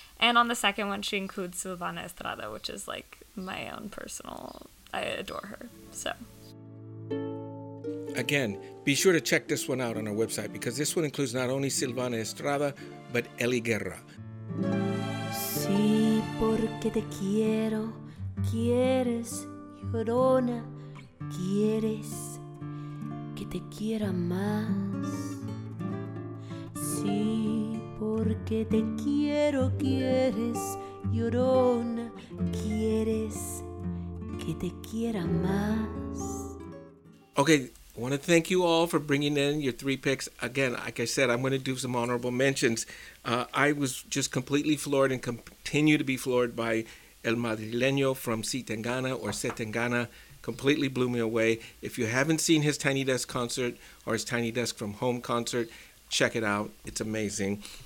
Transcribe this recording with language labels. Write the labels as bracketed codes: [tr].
[en] And on the second one, she includes Silvana Estrada, which is like my own personal, I adore her. So again, be sure to check this one out on our website, because this one includes not only Silvana Estrada, but Eli Guerra. [es] Sí, porque te quiero. Quieres, Llorona, quieres que te quiera más. Sí, porque te quiero, quieres, Llorona, quieres que te quiera más. [en] Okay, I want to thank you all for bringing in your three picks. Again, like I said, I'm going to do some honorable mentions. I was just completely floored and continue to be floored by El Madrileño from Si Tengana or Se Tengana. Completely blew me away. If you haven't seen his Tiny Desk concert or his Tiny Desk from Home concert, check it out. It's amazing.